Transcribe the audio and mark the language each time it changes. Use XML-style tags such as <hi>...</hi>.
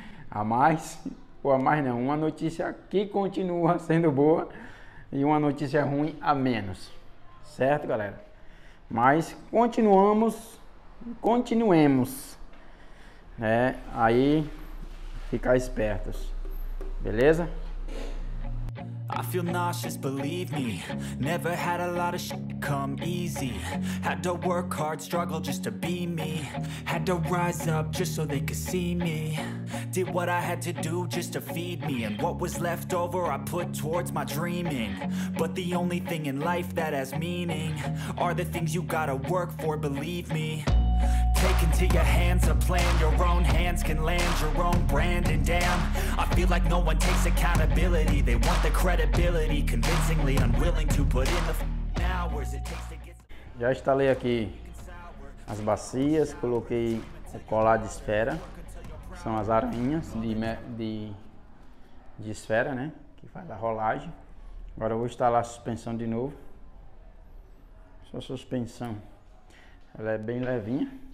<pt>A mais, ou a mais não, uma notícia que continua sendo boa e uma notícia ruim a menos. Certo, galera? Mas continuemos, né? Aí ficar espertos, beleza?</pt> <en>I feel nauseous, believe me. Never had a lot of shit come easy. Had to work hard, struggle just to be me. Had to rise up just so they could see me. Did what I had to do just to feed me. And what was left over, I put towards my dreaming. But the only thing in life that has meaning are the things you gotta work for, believe me. Take into your hands a plan. Your own hands can land your own brand. And damn, I feel like no one takes accountability. They want the credibility, convincingly unwilling to put in the hours it takes to get.</en> <pt>Já instalei aqui as bacias, coloquei o colar de esfera. São as aranhas de esfera, né? Que faz a rolagem. Agora eu vou instalar a suspensão de novo. Sua suspensão, ela é bem levinha.</pt>